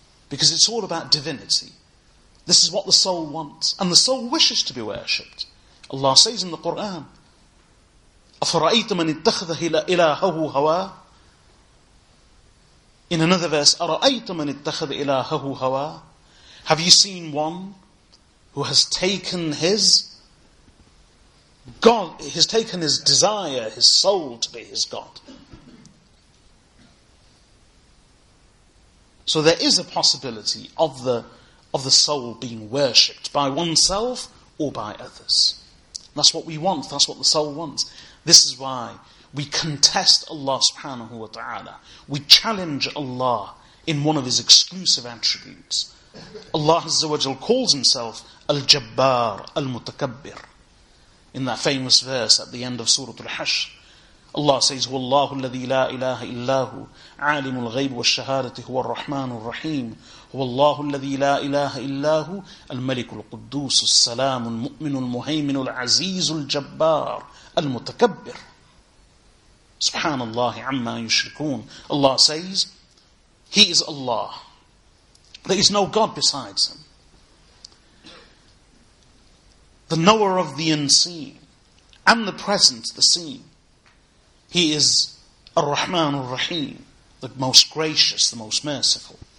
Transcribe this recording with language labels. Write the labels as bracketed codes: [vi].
[en] Because it's all about divinity. This is what the soul wants. And the soul wishes to be worshipped. Allah says in the Qur'an, [ar] أَفَرَأَيْتَ مَنِ اتَّخَذَ إِلَاهَهُ هَوَى. [en] In another verse, [ar] أَرَأَيْتَ مَنِ اتَّخَذَ إِلَاهَهُ هَوَى. [en] Have you seen one who has taken his God, has taken his desire, his soul to be his God? So there is a possibility of the soul being worshipped by oneself or by others. That's what we want, that's what the soul wants. This is why we contest Allah subhanahu wa ta'ala. We challenge Allah in one of his exclusive attributes. Allah azza wa jal calls himself Al-Jabbar Al-Mutakabbir. In that famous verse at the end of Surah Al-Hashr, Allah says, [ar] هو الله الذي لا إله إلا هو عالم الغيب والشهادة هو الرحمن الرحيم هو الله الذي لا إله إلا هو الملك القدوس السلام المؤمن المهيمن العزيز الجبار المتكبر سبحان الله عما يشركون. [en] Allah says, He is Allah. There is no God besides Him. The knower of the unseen and the present, the seen. He is Ar-Rahman Ar-Rahim, the most gracious, the most merciful.